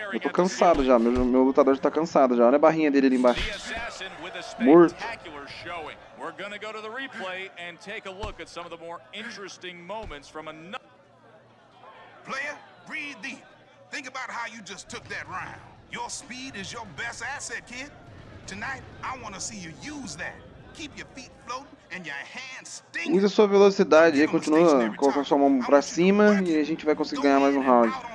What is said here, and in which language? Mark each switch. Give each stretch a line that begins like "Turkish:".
Portuguese: Eu tô cansado já, meu lutador já tá cansado já. Olha a barrinha dele ali embaixo. Morto.
English: We're gonna go to the replay and take a look at some of the more interesting moments from another. Player, breathe deep. Think about how you just took that round. Your speed is your best asset, kid. Tonight, I wanna see you use that. Keep your feet floating
Portuguese: Use a sua velocidade e continua com a sua mão pra cima e a gente vai conseguir ganhar mais um round.